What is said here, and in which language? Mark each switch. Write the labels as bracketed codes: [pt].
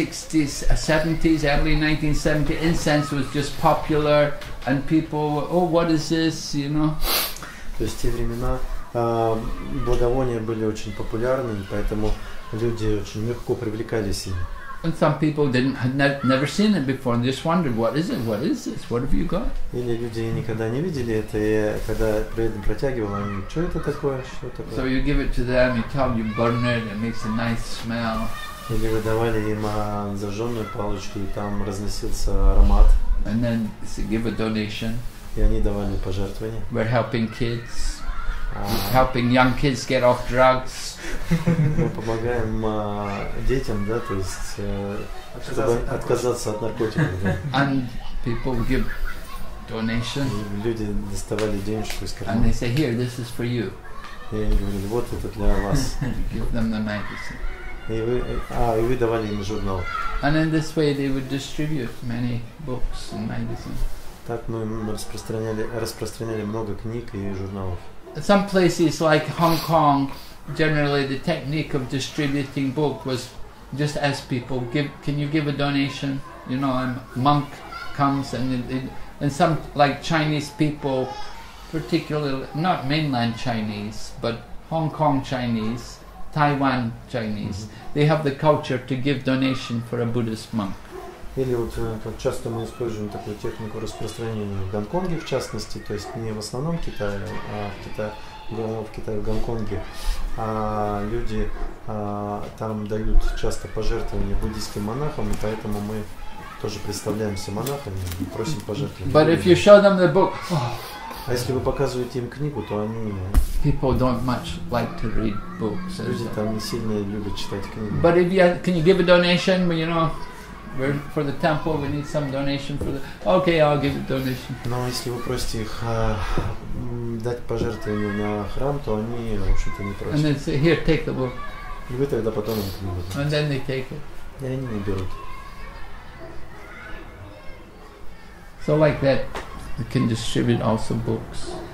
[en] Early 1970s, incense was just popular, and people were, oh, what is this, you know? [ru] То есть в те времена благовония были очень популярны, поэтому люди очень легко привлекались ими. [en] And some people had never seen it before, and just wondered, what is it? What is this? What have you got? [ru] Или люди никогда не видели это, и когда преданный протягивал, они, что это такое, что такое? [en] So you give it to them, you tell them you burn it, it makes a nice smell. [ru] Или вы давали им зажженную палочку, и там разносился аромат. [en] And then give a donation. [ru] И они давали пожертвования. [en] We're helping kids. We're helping young kids get off drugs. [ru] Мы помогаем детям, да, то есть отказаться от наркотиков. Да. [en] And people give donation. [ru] И люди доставали денежку из кармана. [en] And they say, here, this is for you. [ru] И они говорили, вот это для вас. [en] Give them the magazine. [ru] И вы давали им журнал. [en] And in this way they would distribute many books and magazines. [ru] Так мы распространяли много книг и журналов. [en] Some places like Hong Kong, generally the technique of distributing book was just ask people, can you give a donation? You know, a monk comes and some like Chinese people, particularly not mainland Chinese, but Hong Kong Chinese. Taiwan Chinese, they have the culture to give donation for a Buddhist monk. [ru] Или вот часто мы используем такую технику распространения в Гонконге, в частности, то есть не в основном Китае, а в Китае, в Гонконге. Люди там дают часто пожертвования буддийским монахам, и поэтому мы тоже представляемся монахами и просим пожертвования. [en] But if you show them the book, [ru] а если вы показываете им книгу, то они... [en] People don't much like to read books. [ru] Люди там не сильно любят читать книги. [en] But if you can you give a donation, you know, we're for the temple, we need some donation for the... Okay, I'll give a donation. [ru] Но если вы просите их дать пожертвование на храм, то они, в общем-то, не просят. [en] And they say, here, take the book. [ru] И вы тогда потом им книгу дадите. [en] And then they take it. [ru] И они не берут. [en] So like that. We can distribute also books.